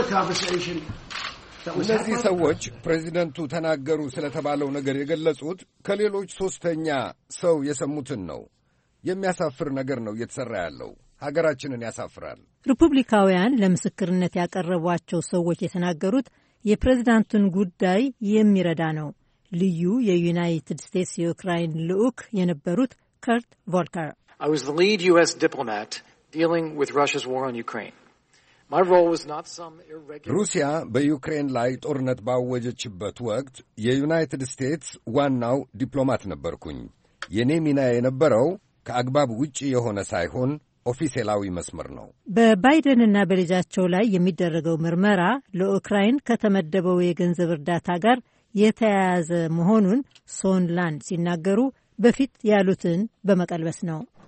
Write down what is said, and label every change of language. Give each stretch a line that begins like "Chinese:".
Amharic: እነዚህ ሰዎች ፕሬዚደንቱ ተናገሩ ስለተባለው ነገር የገለጹት ከሌሎች ሶስተኛ ሰው የሰሙትን ነው። የሚያሳፍር ነገር ነው እየተሰራ ያለው። ሀገራችንን ያሳፍራል። ሪፑብሊካውያን ለምስክርነት ያቀረቧቸው ሰዎች የተናገሩት የፕሬዚዳንቱን ጉዳይ የሚረዳ ነው። ልዩ የዩናይትድ ስቴትስ የዩክራይን ልዑክ የነበሩት ከርት ቮልከር፣
English: I was the lead US diplomat dealing with Russia's war on Ukraine. My role was not some irregular.
Amharic: ሩሲያ በዩክሬን ላይ ጦርነት ባወጀችበት ወቅት የዩናይትድ ስቴትስ ዋናው ዲፕሎማት ነበርኩኝ። የኔ ሚና የነበረው ከአግባብ ውጪ የሆነ ሳይሆን ኦፊሴላዊ መስመር ነው። በባይደንና በልጃቸው ላይ የሚደረገው ምርመራ ለዩክራይን ከተመደበው የገንዘብ እርዳታ ጋር የተያያዘ መሆኑን ሶንላንድ ሲናገሩ በፊት ያሉትን በመቀልበስ ነው።